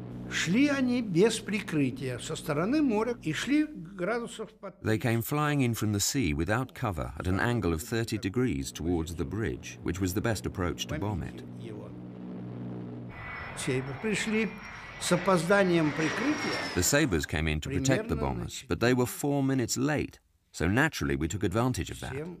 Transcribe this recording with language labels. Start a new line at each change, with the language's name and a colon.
Russian: Шли они без прикрытия со стороны моря и шли градусов под.
English: They came flying in from the sea without cover at an angle of 30 degrees towards the bridge, which was the best approach to bomb it.
Russian: Сейбы пришли с опозданием прикрытия.
English: The Sabres came in to protect the bombers, but they were 4 minutes late, so naturally we took advantage of that.